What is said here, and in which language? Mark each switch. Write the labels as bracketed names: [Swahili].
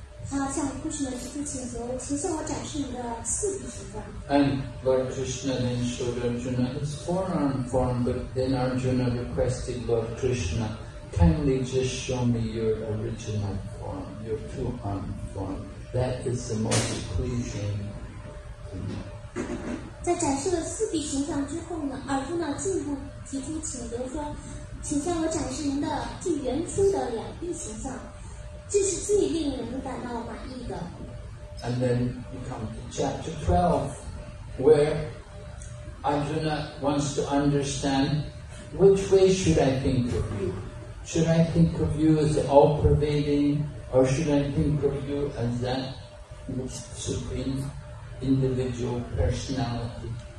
[English] And Lord Krishna then showed Arjuna his forearm form, but then Arjuna requested Lord Krishna, kindly just show me your original form, your two-arm form. That is the most pleasing to me. [Chinese] 在展示了四臂形象之后呢，Arjuna进一步提出请求说，请向我展示您的最原初的两臂形象。 [English] And then we come to chapter 12, where Arjuna wants to understand which way should I think of you? Should I think of you as the all-pervading, or should I think of you as that supreme individual personality?